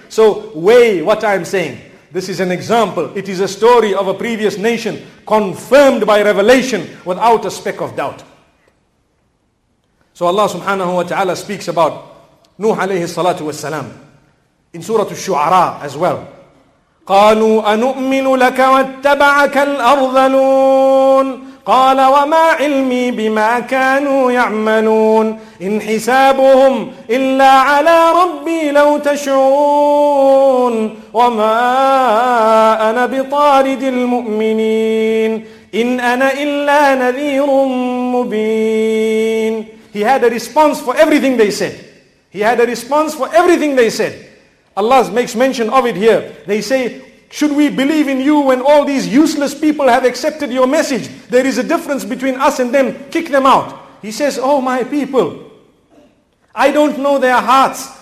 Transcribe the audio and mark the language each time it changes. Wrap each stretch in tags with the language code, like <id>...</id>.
<en>So weigh what I am saying. This is an example. It is a story of a previous nation confirmed by revelation without a speck of doubt. So Allah subhanahu wa ta'ala speaks about Nuh alayhi salatu wa salam in Surah Al-Shu'ara as well.</en> <ar>قَالُوا أَنُؤْمِنُ لَكَ وَاتَّبَعَكَ الْأَرْضَلُونَ قال وما علمي بما كانوا يعملون إن حسابهم إلا على ربي لو تشعرون وما أنا بطارد المؤمنين إن أنا إلا نذير مبين.</ar> <en>He had a response for everything they said. He had a response for everything they said. Allah makes mention of it here. They say, should we believe in you when all these useless people have accepted your message? There is a difference between us and them. Kick them out. He says, oh my people, I don't know their hearts.</en>